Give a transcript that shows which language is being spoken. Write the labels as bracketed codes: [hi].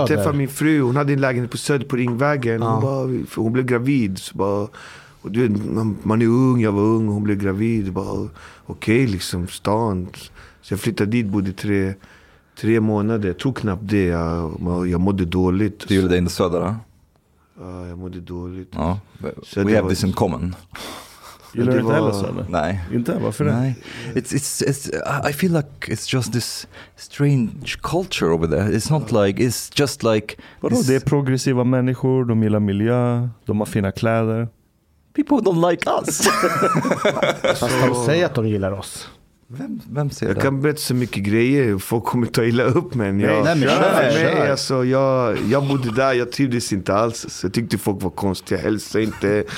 [sv] Jag träffade min fru, hon hade en lägenhet på Söder på Ringvägen. Hon blev gravid, så bara, och du vet, man är ung, jag var ung, hon blev gravid. Okej, liksom stan. Så jag flyttade dit, bodde tre månader. Jag tog knappt det, jag mådde dåligt. Du gjorde det in i Söder, då? Ja, jag mådde dåligt. [en] Ja, så we have this in common. [sv] Gillar du inte heller så, eller? Nej. Inte, varför det? Nej. [en] It's I feel like it's just this strange culture over there. It's not like, it's just like... [sv] Vadå, [en] this... [sv] det är progressiva människor, de gillar miljö, de har fina kläder. [en] People don't like us. [sv] Fast de säger att de gillar oss. Vem säger jag det? Kan berätta så mycket grejer. Folk kommer ta illa upp, men jag... Nej, alltså, jag bodde där, jag trivdes inte alls. Så jag tyckte folk var konstiga, jag hälsade inte.